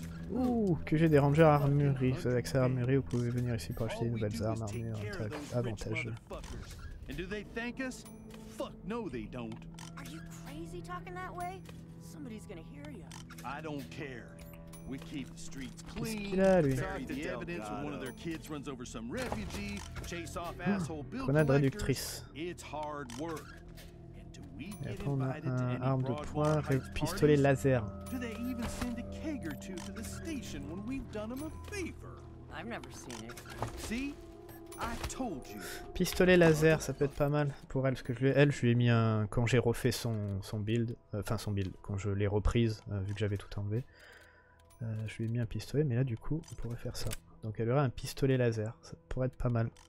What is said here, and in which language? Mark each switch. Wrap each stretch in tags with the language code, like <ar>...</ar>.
<fr>Ouh, que j'ai des rangers armurés. Vous avez accès à armurés, vous pouvez venir ici pour acheter des nouvelles armes, armures, un truc avantageux.</fr> <en>And do they thank us? Fuck no, they don't. Are you crazy talking that way? So somebody's gonna hear you. I don't care. We keep the streets clean, bury the evidence when one of their kids runs over some refugee, chase off asshole bill collectors. It's hard work.</en> <fr>Et après on a un arme de poing, un pistolet laser.</fr> <en>Do they even send a keg or two to the station when we've done them a favor? I've never seen it. See? I told you.</en> <fr>Pistolet laser, ça peut être pas mal pour elle, parce que je lui ai mis un quand j'ai refait son build, enfin son build, quand je l'ai reprise, vu que j'avais tout enlevé. Je lui ai mis un pistolet, mais là du coup on pourrait faire ça. Donc elle aurait un pistolet laser, ça pourrait être pas mal.</fr>